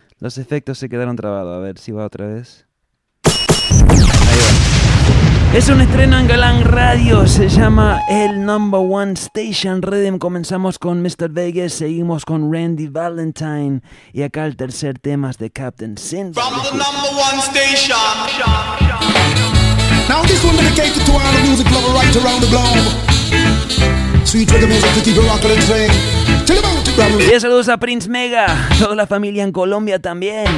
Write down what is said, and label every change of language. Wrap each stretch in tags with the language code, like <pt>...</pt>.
<es>Los efectos se quedaron trabados. A ver si va otra vez. Ahí va. Es un estreno en Galán Radio. Se llama el Number One Station Rhythm. Comenzamos con Mr. Vegas. Seguimos con Randy Valentine. Y acá el tercer tema es de Captain Sin.</es> <en>From the Number One Station. Now this one dedicated to all the music lover right around the globe. Sweet rhythm is to keep you rocking and sing.</en> <es>Y saludos a Prince Mega, toda la familia en Colombia también.</es>